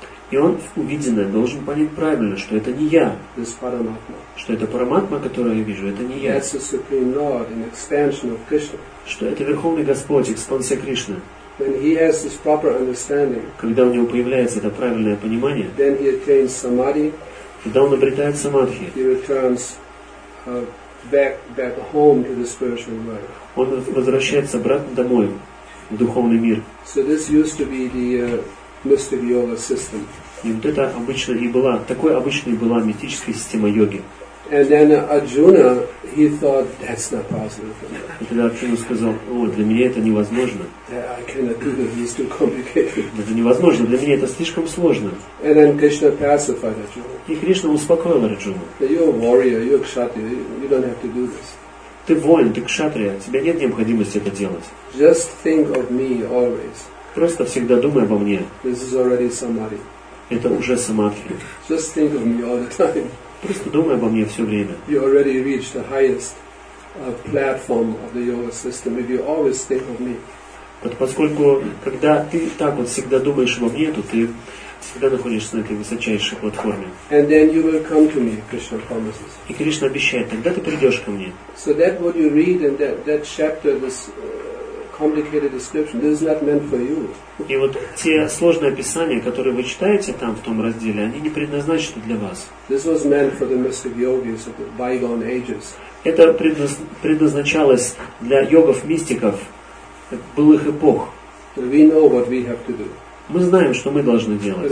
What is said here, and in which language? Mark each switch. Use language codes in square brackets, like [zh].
[ru] И он увиденное должен понять правильно, что это не я. [en] This Paramatma. [ru] Что это Параматма, которую я вижу, это не я. [en] That's the Supreme Lord, an expansion of Krishna. [ru] Что это Верховный Господь, экспансия Кришны. [en] When he has this proper understanding, [ru] когда у него появляется это правильное понимание, [en] then he attains samadhi, [ru] когда он обретает самадхи, [en] he returns, back home to the spiritual world. [ru] Он возвращается обратно домой, в духовный мир. [en] So this used to be the, mystic yoga system. [ru] И вот это обычно и была, такой обычной была мистическая система йоги. [en] And then Arjuna, he thought, that's not possible for me. [ru] Тогда Арджуна сказал, о, для меня это невозможно. [en] I cannot do that, it's too complicated. [ru] Это невозможно, для меня это слишком сложно. [en] And then Krishna pacified Arjuna. [ru] И Кришна успокоил Арджуну. [en] You're a warrior, you're a kshatriya, you don't have to do this. [ru] Ты воин, ты кшатрия, тебе нет необходимости это делать. [en] Just think of me always. [ru] Просто всегда думай обо мне. [en] This is already samadhi. [ru] Это уже самадхи. [en] Just think of me all the time. [ru] Просто думай обо мне все время. [en] You already reached the highest platform of the yoga system if you always think of me. [ru] Вот поскольку когда ты так вот всегда думаешь обо мне, то ты всегда находишься на этой высочайшей платформе. [en] And then you will come to me, Krishna promises. [ru] И Кришна обещает, тогда ты придешь ко мне. [en] So that what you read in that chapter, this complicated description, this is not meant for you. [ru] И вот те сложные описания, которые вы читаете там в том разделе, они не предназначены для вас. [en] This was meant for the mystic yogis of the bygone ages. [ru] Это предназначалось для йогов-мистиков былых эпох. [en] We know what we have to do. [ru] Мы знаем, что мы должны делать.